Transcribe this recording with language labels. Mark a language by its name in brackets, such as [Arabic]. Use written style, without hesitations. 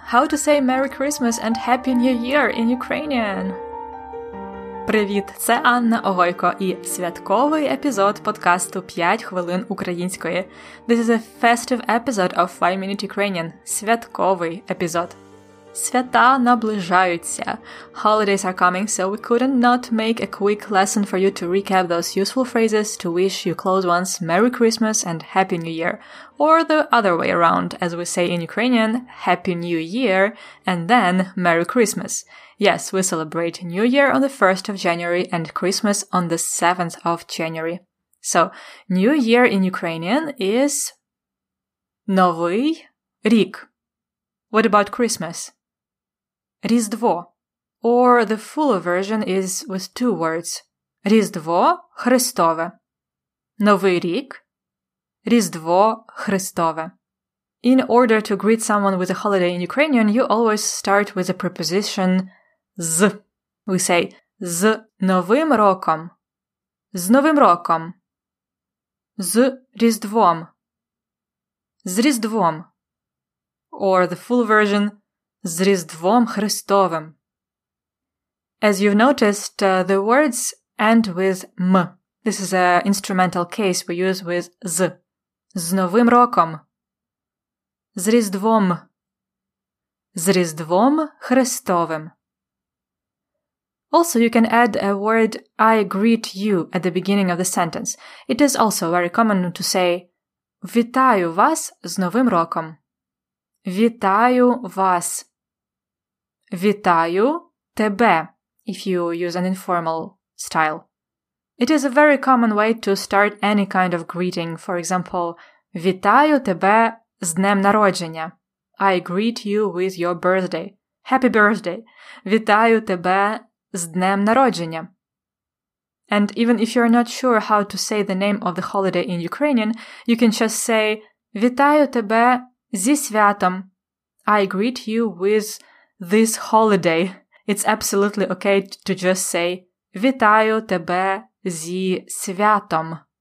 [English] How to say Merry Christmas and Happy New Year in Ukrainian? [Ukrainian] Привіт, це Анна Огойко і святковий епізод подкасту 5 хвилин української. [English] This is a festive episode of 5 Minute Ukrainian, [Ukrainian] святковий епізод. Свята наближаються. [English] Holidays are coming, so we couldn't not make a quick lesson for you to recap those useful phrases to wish your close ones Merry Christmas and Happy New Year. Or the other way around, as we say in Ukrainian, Happy New Year and then Merry Christmas. Yes, we celebrate New Year on the 1st of January and Christmas on the 7th of January. So, New Year in Ukrainian is [Ukrainian] Новий рік. [English] What about Christmas? Різдво. Or the fuller version is with two words. [Ukrainian] Різдво Христове. Новий рік. Різдво Христове. [English] In order to greet someone with a holiday in Ukrainian, you always start with a preposition «з». We say [Ukrainian] «з новим роком». «З новим роком». «З Різдвом». «З Різдвом». [English] Or the full version [Ukrainian] «З Різдвом Христовим». [English] As you've noticed, the words end with «м». This is an instrumental case we use with «з». [Ukrainian] «З Новим Роком», «З Різдвом», «З Різдвом Христовим». [English] Also, you can add a word «I greet you» at the beginning of the sentence. It is also very common to say [Ukrainian] «Вітаю вас з Новим Роком». «Вітаю вас», «Вітаю тебе», [English] if you use an informal style. It is a very common way to start any kind of greeting, for example, [Ukrainian] «Вітаю тебе з днем народження». [English] «I greet you with your birthday». «Happy birthday!» [Ukrainian] «Вітаю тебе з днем народження». [English] And even if you're not sure how to say the name of the holiday in Ukrainian, you can just say [Ukrainian] «Вітаю тебе зі святом». [English] «I greet you with this holiday». It's absolutely okay to just say [Ukrainian] «Вітаю тебе зі святом».